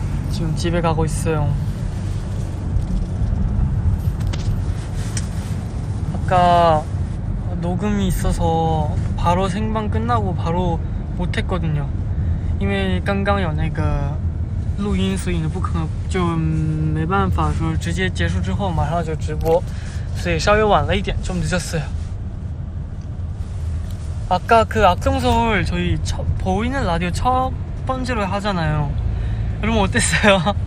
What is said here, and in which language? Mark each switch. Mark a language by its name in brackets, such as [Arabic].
[Korean] 지금 집에 가고 있어요. 아까 녹음이 있어서 바로 생방 끝나고 바로 못했거든요. [Chinese] 因为刚刚有那个录音，所以不可能就没办法说直接结束之后马上就直播。稍微晚了一点, [Korean] 좀 늦었어요. 아까 그 악동서울 저희 보이는 라디오 첫 번째로 하잖아요. 여러분 어땠어요?